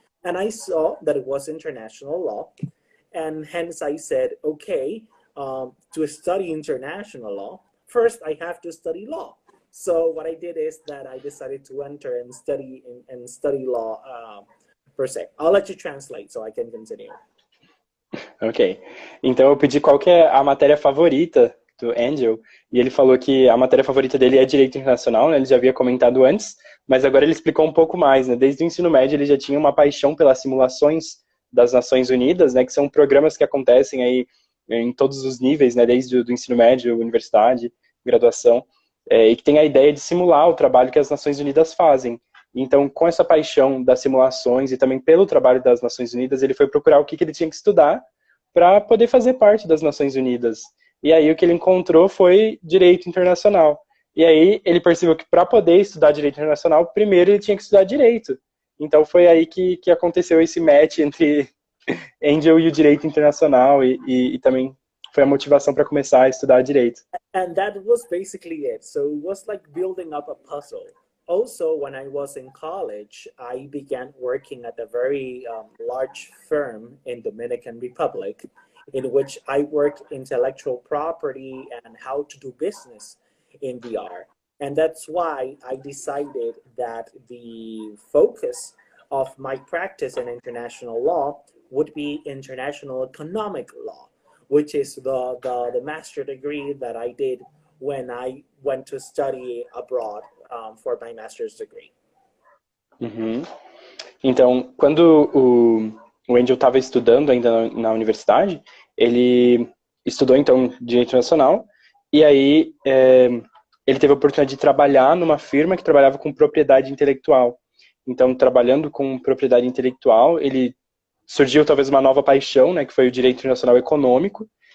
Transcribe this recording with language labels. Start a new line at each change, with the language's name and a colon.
English: And I saw that it was international law. And hence I said, okay, to study international law, first I have to study law. So what I did is that I decided to enter and study law per se. I'll let you translate so I can continue. Okay.
Portuguese: Então eu pedi qual que é a matéria favorita do Angel, e ele falou que a matéria favorita dele é Direito Internacional, né? Ele já havia comentado antes, mas agora ele explicou um pouco mais, né? Desde o ensino médio ele já tinha uma paixão pelas simulações das Nações Unidas, né? Que são programas que acontecem aí em todos os níveis, né? Desde o ensino médio, universidade, graduação. E que tem a ideia de simular o trabalho que as Nações Unidas fazem. Então, com essa paixão das simulações e também pelo trabalho das Nações Unidas, ele foi procurar o que ele tinha que estudar para poder fazer parte das Nações Unidas. E aí o que ele encontrou foi Direito Internacional. E aí ele percebeu que para poder estudar Direito Internacional, primeiro ele tinha que estudar Direito. Então foi aí que aconteceu esse match entre Angel e o Direito Internacional e também foi a motivação para começar a estudar direito.
English: And that was basically it. So it was like building up a puzzle. Also, when I was in college, I began working at a very large firm in Dominican Republic, in which I work intellectual property and how to do business in VR. And that's why I decided that the focus of my practice in international law would be international economic law, which is the master degree that I did when I went to study abroad for my master's degree. Uhum.
Portuguese: Então, quando o Angel estava estudando ainda na universidade, ele estudou, então, Direito Internacional, e aí ele teve a oportunidade de trabalhar numa firma que trabalhava com propriedade intelectual. Então, trabalhando com propriedade intelectual, ele surgiu talvez uma nova paixão, né, que foi o Direito Internacional Econômico.